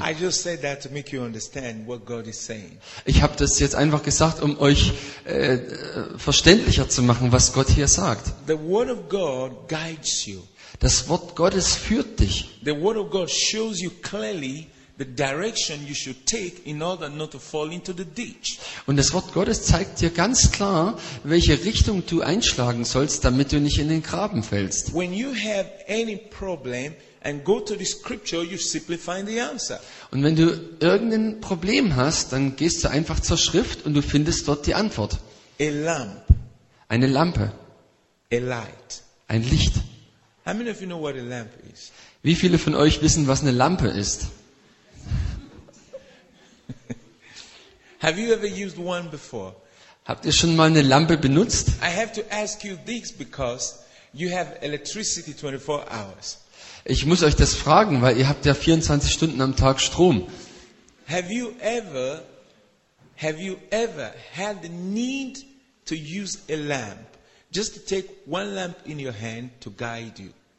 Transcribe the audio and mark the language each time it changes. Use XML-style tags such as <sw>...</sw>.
<en>I just said that to make you understand what God is saying.</en> <de>Ich habe das jetzt einfach gesagt, um euch verständlicher zu machen, was Gott hier sagt.</de> <en>The word of God guides you.</en> <de>Das Wort Gottes führt dich.</de> <en>The word of God shows you clearly the direction you should take in order not to fall into the ditch.</en> <de>Und das Wort Gottes zeigt dir ganz klar, welche Richtung du einschlagen sollst, damit du nicht in den Graben fällst.</de> <en>When you have any problem and go to the scripture, you simply find the answer.</en> <de>Und wenn du irgendein Problem hast, dann gehst du einfach zur Schrift und du findest dort die Antwort.</de> <en>A lamp.</en> <de>Eine Lampe.</de> <en>A light.</en> <de>Ein Licht.</de> <en>How many of you know what a lamp is?</en> <de>Wie viele von euch wissen, was eine Lampe ist?</de> <en>Have you ever used one before?</en> <de>Habt ihr schon mal eine Lampe benutzt?</de> <en>I have to ask you this because you have electricity 24 hours.</en> <de>Ich muss euch das fragen, weil ihr habt ja 24 Stunden am Tag Strom.</de> <en>Have you ever had the need to use a lamp? Just to take one lamp in your hand to guide you.</en>